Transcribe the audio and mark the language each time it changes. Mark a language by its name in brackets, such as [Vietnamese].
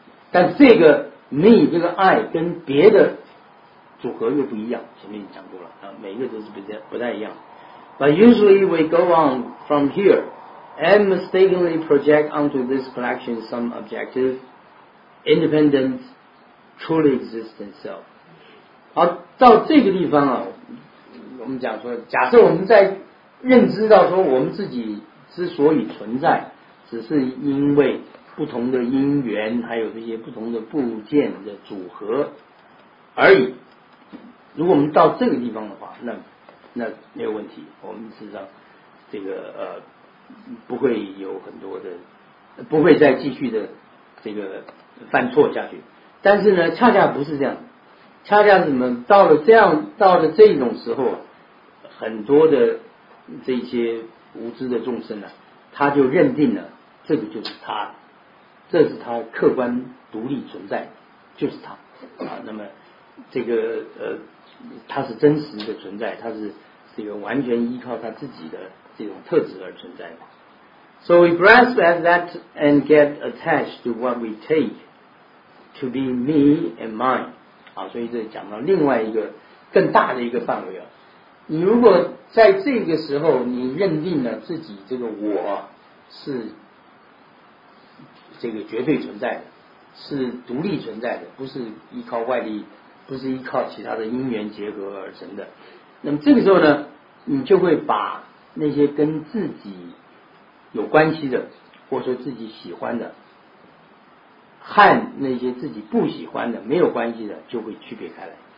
[Chinese] 但这个 me 这个 I 跟别的组合又不一样，前面讲过了，每一个都是不太一样。 [English] But usually we go on from here and mistakenly project onto this collection some objective. Independent, truly existent self. [Chinese] 好，到这个地方啊，我们讲说，假设我们在认知到说我们自己之所以存在，只是因为不同的因缘，还有这些不同的部件的组合而已。如果我们到这个地方的话，那没有问题，我们事实上这个不会有很多的，不会再继续的这个。犯错下去，但是呢，恰恰不是这样，恰恰是什么？到了这种时候，很多的这些无知的众生呢、他就认定了这个就是他，这是他客观独立存在，就是他啊。那么这个他是真实的存在，他是这个完全依靠他自己的这种特质而存在的。 [English] So we grasp at that and get attached to what we take to be me and mine. [Chinese] 啊，所以这讲到另外一个更大的一个范围啊。你如果在这个时候你认定了自己这个我是这个绝对存在的，是独立存在的，不是依靠外力，不是依靠其他的因缘结合而成的，那么这个时候呢，你就会把那些跟自己有关系的，或者说自己喜欢的，和那些自己不喜欢的没有关系的，就会区别开来。